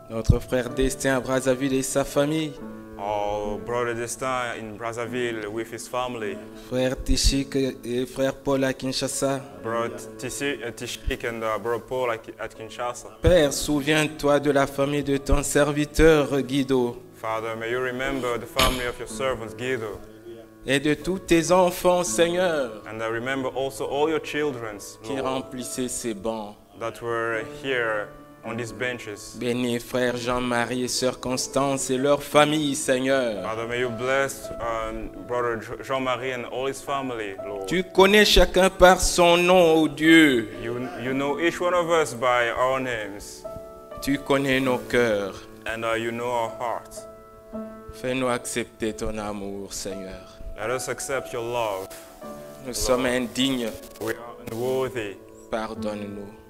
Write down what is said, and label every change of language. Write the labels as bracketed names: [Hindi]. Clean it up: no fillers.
[French] Notre frère Destin à Brazzaville et sa famille. [English] Our brother Destin in Brazzaville with his family. [French] Frère Tishik et frère Paul à Kinshasa. [English] Brother Paul at Kinshasa. [French] Père, souviens-toi de la famille de ton serviteur Guido. [English] Father, may you remember the family of your servant Guido. [French] Et de tous tes enfants, Seigneur. [English] And I remember also all your children. [French] Qui remplissaient ces bancs. [English] That were here on these benches. [French] Bénis frère Jean-Marie, sœur Constance et leur famille, Seigneur. [English] Father, may you bless brother Jean-Marie and all his family, Lord. [French] Tu connais chacun par son nom, ô Dieu. [English] You know each one of us by our names. [French] Tu connais nos cœurs. [English] And you know our hearts. [French] Fais-nous accepter ton amour, Seigneur. [English] Let us accept your love. [French] Nous sommes indignes. [English] We are unworthy. [French] Pardonne-nous.